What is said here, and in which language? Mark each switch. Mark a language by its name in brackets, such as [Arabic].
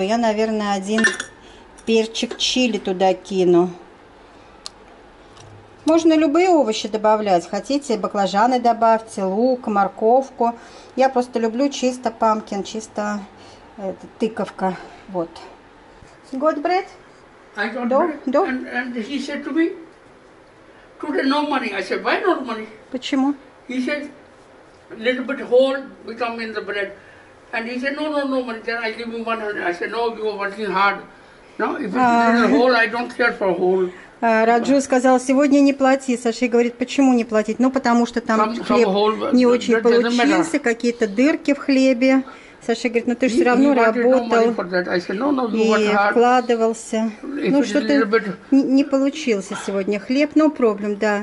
[Russian] Я, наверное, один перчик чили туда кину. Можно любые овощи добавлять. Хотите, баклажаны добавьте, лук, морковку. Я просто люблю чисто памкин, чисто это, тыковка. Вот. [English] Got bread? I got bread. And he said to me, today no money. I said, why no money? [Russian] Почему? [English] He said, a little bit hole become in the bread. And he said, no money. Then I give him 100. I said, no, you are working hard. No, if it's a hole, I don't care for a hole. [Russian] Раджу сказал, сегодня не плати. Саши говорит, почему не платить? Ну, потому что там хлеб не очень получился, какие-то дырки в хлебе. Саша говорит, ну ты же все равно работал и вкладывался. Ну что-то не получился сегодня хлеб, но проблем, да.